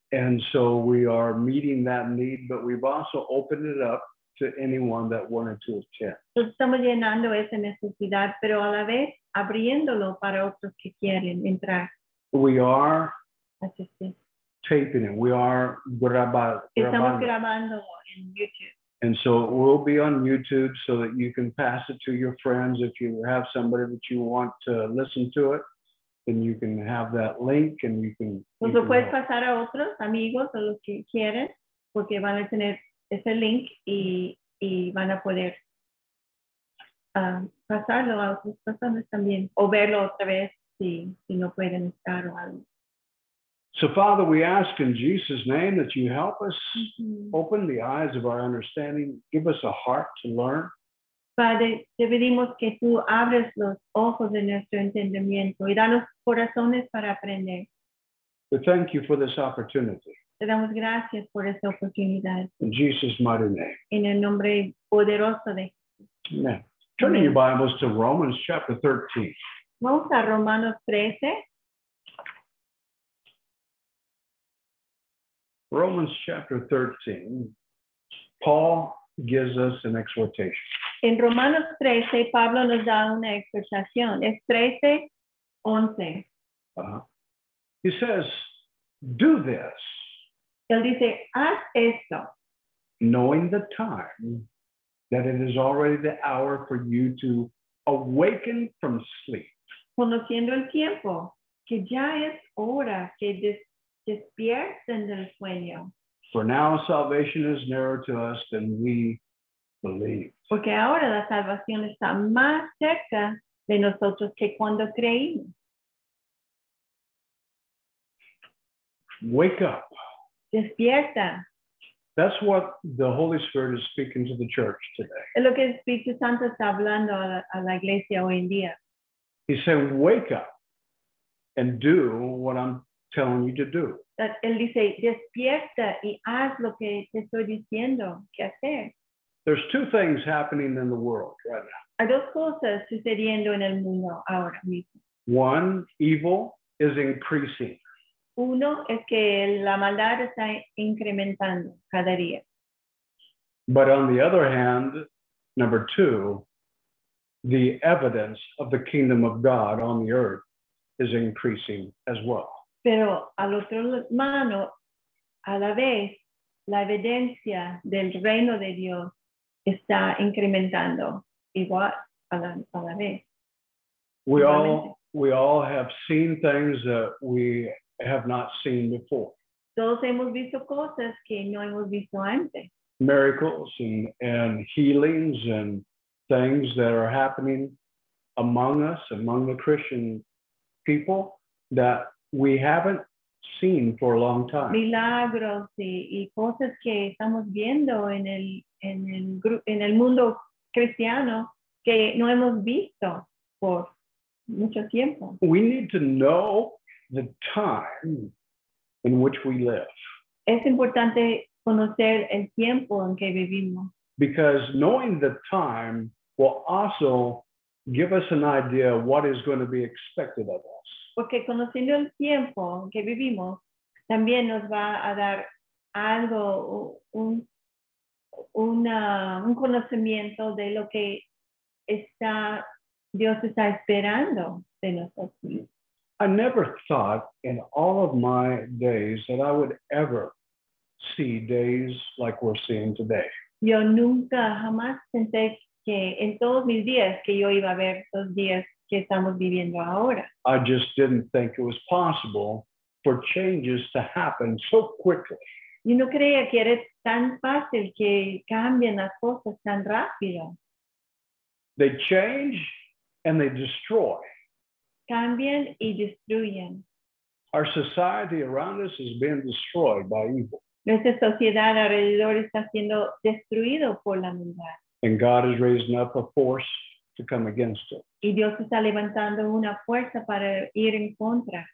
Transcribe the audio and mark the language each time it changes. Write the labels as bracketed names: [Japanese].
[English] And so we are meeting that need, but we've also opened it up to anyone that wanted to attend. [Spanish] Entonces estamos llenando esa necesidad, pero a la vez abriéndolo para otros que quieren entrar. [English] We are taping it. We are [Spanish] grabando. Estamos grabando en YouTube. [English] And so it will be on YouTube so that you can pass it to your friends. If you have somebody that you want to listen to it, then you can have that link and you can... [Spanish] Pues lo puedes pasar a otros amigos o los que quieren, porque van a tener ese link y van a poder pasarlo a otras personas también, o verlo otra vez si no pueden estar o algo. [English] So, Father, we ask in Jesus' name that you help us open the eyes of our understanding. Give us a heart to learn. [Spanish] Father, te pedimos que tú abres los ojos de nuestro entendimiento y danos corazones para aprender. [English] We thank you for this opportunity. [Spanish] Te damos gracias por esta oportunidad. [English] In Jesus' mighty name. [Spanish] En el nombre poderoso de Jesús. [English] Amen. Turning your Bibles to Romans chapter 13. [Spanish] Vamos a Romanos 13. [English] Romans chapter 13, Paul gives us an exhortation. [Spanish] En Romanos 13, Pablo nos da una exhortación. Es 13, 11. [English] He says, do this. [Spanish] Él dice, haz esto. [English] Knowing the time that it is already the hour for you to awaken from sleep. [Spanish] Conociendo el tiempo, que ya es hora que despierten del sueño. [English] For now salvation is nearer to us than we believe. [Spanish] Porque ahora la salvación está más cerca de nosotros que cuando creímos. [English] Wake up. [Spanish] Despierta. [English] That's what the Holy Spirit is speaking to the church today. [Spanish] Es lo que el Espíritu Santo está hablando a la iglesia hoy en día. [English] He said, wake up and do what I'm telling you to do. [Spanish] Él dice, despierta y haz lo que te estoy diciendo que hacer. [English] There's two things happening in the world right now. [Spanish] Hay dos cosas sucediendo en el mundo ahora mismo. [English] One, evil is increasing. [Spanish] Uno es que la maldad está incrementando cada día. [English] But on the other hand, number two, the evidence of the kingdom of God on the earth is increasing as well. [Spanish] Pero al otro mano, a la vez, la evidencia del reino de Dios está incrementando igual a la vez. [English] We all have seen things that we have not seen before. [Spanish] Todos hemos visto cosas que no hemos visto antes. [English] Miracles and healings and things that are happening among us, among the Christian people, that we haven't seen for a long time. [Spanish] Milagros y cosas que estamos viendo en el mundo cristiano que no hemos visto por mucho tiempo. [English] We need to know the time in which we live. [Spanish] Es importante conocer el tiempo en que vivimos. [English] Because knowing the time will also give us an idea of what is going to be expected of us. [Spanish] Porque conociendo el tiempo que vivimos, también nos va a dar algo, un conocimiento de lo que está Dios está esperando de nosotros. [English] I never thought in all of my days that I would ever see days like we're seeing today. [Spanish] Yo nunca jamás pensé que en todos mis días que yo iba a ver los días que estamos viviendo ahora. [English] I just didn't think it was possible for changes to happen so quickly. [Spanish] Yo no creía que era tan fácil que cambien las cosas tan rápido. [English] They change and they destroy. [Spanish] Cambian y destruyen. [English] Our society around us is being destroyed by evil. [Spanish] Nuestra sociedad alrededor está siendo destruido por la maldad. [English] And God is raising up a force to come against it. [Spanish] Y Dios está levantando una fuerza para ir en contra.